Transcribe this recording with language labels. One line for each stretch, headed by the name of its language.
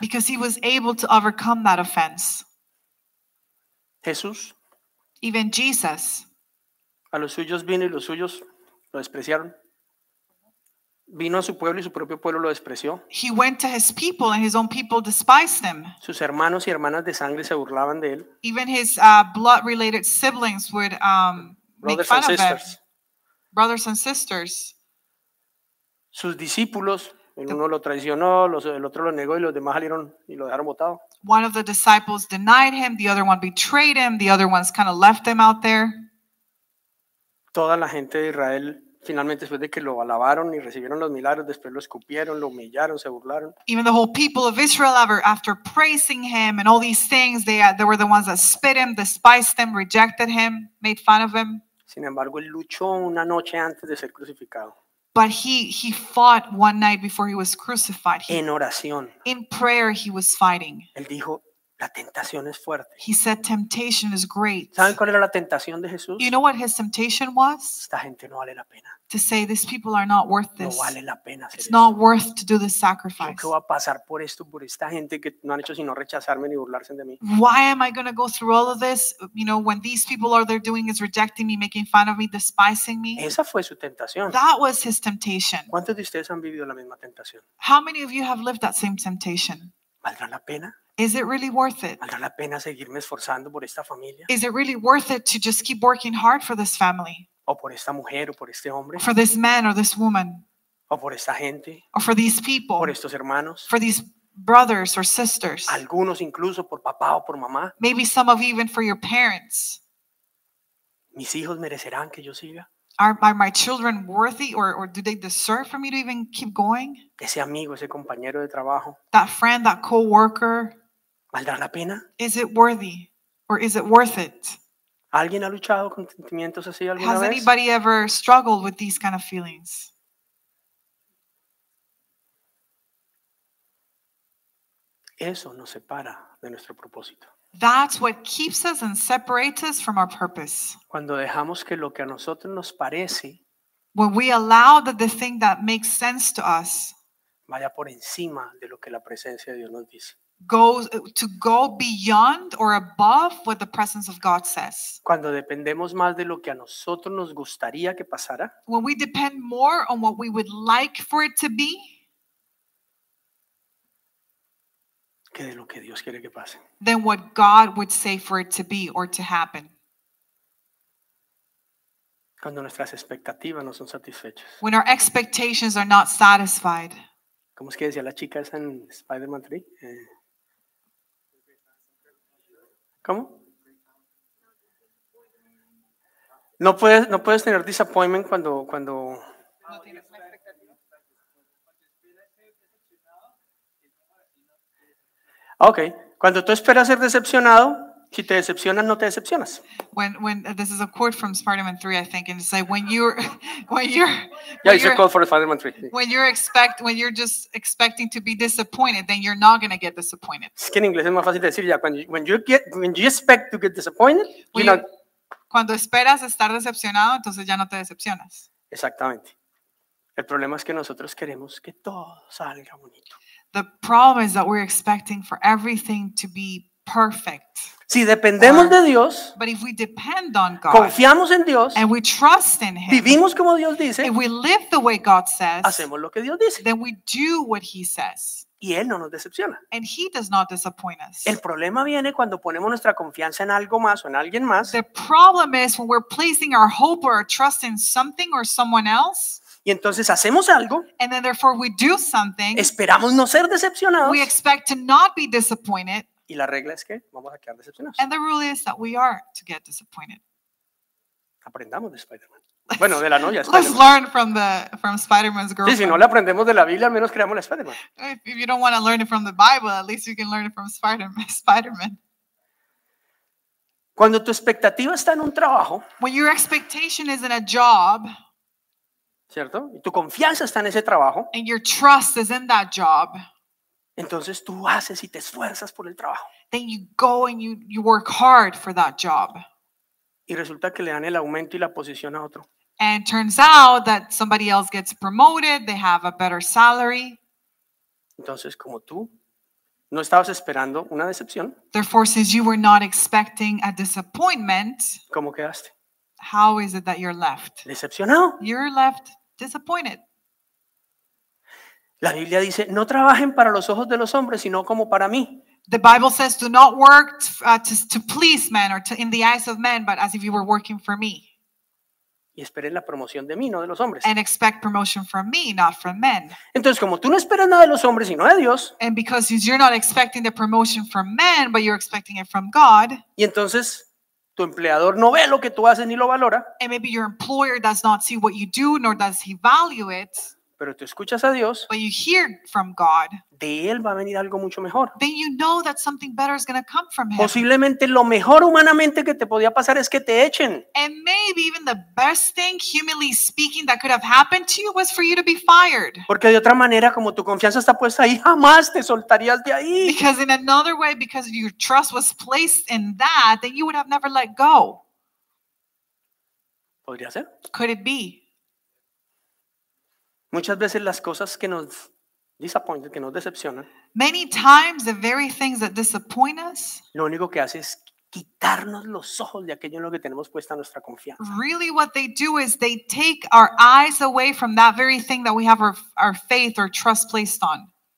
English: Because he was able to overcome that offense.
Spanish: Jesús.
English: Even Jesus.
Spanish: A los suyos vino y los suyos lo despreciaron. Vino a su pueblo y su propio pueblo lo despreció.
English: He went to his people and his own people despised him.
Spanish: Sus hermanos y hermanas de sangre se burlaban de él.
English: Even his blood related siblings would make fun of him. Brothers and sisters.
Spanish: Sus discípulos. El uno lo traicionó, el otro lo negó y los demás salieron y lo dejaron botado.
English: One of the disciples denied him, the other one betrayed him, the other ones kind of left him out there.
Spanish: Toda la gente de Israel, finalmente después de que lo alabaron y recibieron los milagros, después lo escupieron, lo humillaron, se burlaron.
English: Even the whole people of Israel, after praising him and all these things, they were the ones that spit him, despised him, rejected him, made fun of him.
Spanish: Sin embargo, él luchó una noche antes de ser crucificado.
English: But he fought one night before he was crucified.
Spanish: En oración.
English: In prayer he was fighting.
Spanish: Él dijo, la tentación es fuerte.
English: He said, temptation is great.
Spanish: ¿Saben cuál era la tentación de Jesús?
English: You know what his temptation was?
Spanish: Esta gente no vale la pena.
English: To say, these people are not worth this.
Spanish: No vale la pena hacer
English: it's
Spanish: eso.
English: Not worth to do this sacrifice.
Spanish: ¿Qué va a pasar por esto, por esta gente que no han hecho sino rechazarme ni burlarse de mí?
English: Why am I going to go through all of this? You know, when these people are there doing is rejecting me, making fun of me, despising me.
Spanish: Esa fue su tentación.
English: That was his temptation.
Spanish: ¿Cuántos de ustedes han vivido la misma tentación?
English: How many of you have lived that same temptation?
Spanish: ¿Valdrá la pena?
English: Is it really worth it?
Spanish: ¿Valdrá la pena seguirme esforzando por esta familia?
English: Is it really worth it to just keep working hard for this family?
Spanish: O por esta mujer o por este hombre.
English: For this man or this woman.
Spanish: O por esta gente.
English: Or for these people.
Spanish: Por estos hermanos.
English: For these brothers or sisters.
Spanish: Algunos incluso por papá o por mamá.
English: Maybe some of even for your parents.
Spanish: ¿Mis hijos merecerán que yo siga?
English: Are my children worthy or do they deserve for me to even keep going?
Spanish: Ese amigo, ese compañero de trabajo.
English: That friend, that coworker.
Spanish: ¿Valdrá la pena?
English: Is it worthy or is it worth it?
Spanish: ¿Alguien ha luchado con sentimientos así alguna
English: has
Spanish: vez?
English: Has anybody ever struggled with these kind of feelings?
Spanish: Eso nos separa de nuestro propósito.
English: That's what keeps us and separates us from our purpose.
Spanish: Cuando dejamos que lo que a nosotros nos parece,
English: when we allow that the thing that makes sense to us
Spanish: vaya por encima de lo que la presencia de Dios nos dice.
English: To go beyond or above what the presence of God says.
Spanish: Cuando dependemos más de lo que a nosotros nos gustaría que pasara.
English: When we depend more on what we would like for it to be.
Spanish: Que de lo que Dios quiere que pase.
English: Than what God would say for it to be or to happen.
Spanish: Cuando nuestras expectativas no son satisfechas.
English: When our expectations are not satisfied.
Spanish: ¿Cómo es que decía la chica esa en Spider-Man 3? ¿Cómo? No puedes tener
English: disappointment
Spanish: cuando no tienes una expectativa. Okay. Cuando tú esperas ser decepcionado, si te decepcionas, no te decepcionas.
English: When this is a quote from Spider-Man 3, I think, and it's like when you're yeah, it's a quote for Spider-Man 3. When you're just expecting to be disappointed, then you're not going to get disappointed.
Spanish: Es que en inglés es más fácil decir ya.
English: When you expect to get disappointed,
Spanish: cuando esperas estar decepcionado, entonces ya no te decepcionas. Exactamente. El problema es que nosotros queremos que todo salga bonito.
English: The problem is that we're expecting for everything to be perfect.
Spanish: Si dependemos de Dios,
English: but if we depend on God,
Spanish: confiamos en Dios,
English: and we trust in Him,
Spanish: vivimos como Dios dice,
English: if we live the way God says,
Spanish: hacemos lo que Dios dice,
English: then we do what He says.
Spanish: Y Él no nos decepciona.
English: And He does not disappoint us.
Spanish: El problema viene cuando ponemos nuestra confianza en algo más o en alguien más.
English: The problem is when we're placing our hope or our trust in something or someone else.
Spanish: Y entonces hacemos algo.
English: And then therefore we do something.
Spanish: Esperamos no ser decepcionados.
English: We expect to not be disappointed.
Spanish: Y la regla es que vamos a quedar decepcionados.
English: And the rule is that we are to get disappointed.
Spanish: Aprendamos de Spider-Man. Bueno, de la novia Spider-Man.
English: Let's learn from Spider-Man's girlfriend.
Spanish: Sí, si no le aprendemos de la Biblia, al menos creamos la Spider-Man.
English: If you don't want to learn it from the Bible, at least you can learn it from Spider-Man.
Spanish: Cuando tu expectativa está en un trabajo.
English: When your expectation is in a job.
Spanish: ¿Cierto? Y tu confianza está en ese trabajo.
English: And your trust is in that job.
Spanish: Entonces tú haces y te esfuerzas por el trabajo.
English: Then you go and you work hard for that job.
Spanish: Y resulta que le dan el aumento y la posición a otro.
English: And turns out that somebody else gets promoted, they have a better salary.
Spanish: Entonces, como tú no estabas esperando una decepción.
English: Therefore, since you were not expecting a disappointment.
Spanish: ¿Cómo quedaste?
English: How is it that you're left?
Spanish: Decepcionado.
English: You're left disappointed.
Spanish: La Biblia dice, no trabajen para los ojos de los hombres, sino como para mí.
English: The Bible says, do not work to please men or to, in the eyes of men, but as if you were working for me.
Spanish: Y esperen la promoción de mí, no de los hombres.
English: And expect promotion from me, not from men.
Spanish: Entonces, como tú no esperas nada de los hombres, sino de Dios.
English: And because you're not expecting the promotion from men, but you're expecting it from God.
Spanish: Y entonces, tu empleador no ve lo que tú haces ni lo valora.
English: And maybe your employer does not see what you do, nor does he value it.
Spanish: Pero tú escuchas a Dios.
English: But you hear from God.
Spanish: De Él va a venir algo mucho mejor.
English: Then you know that something better is going to come from Him.
Spanish: Posiblemente lo mejor humanamente que te podía pasar es que te echen.
English: And maybe even the best thing, humanly speaking, that could have happened to you was for you to be fired.
Spanish: Porque de otra manera, como tu confianza está puesta ahí, jamás te soltarías de ahí.
English: Because in another way, because your trust was placed in that, then you would have never let go.
Spanish: ¿Podría ser?
English: Could it be?
Spanish: Muchas veces las cosas que nos
English: disappointed,
Spanish: que nos decepcionan.
English: Many times the very things that disappoint us.
Spanish: Lo único que hace es quitarnos los ojos de aquello en lo que tenemos puesta nuestra confianza.
English: Really what they do is they take our eyes away from that very thing that we have our faith or trust placed on.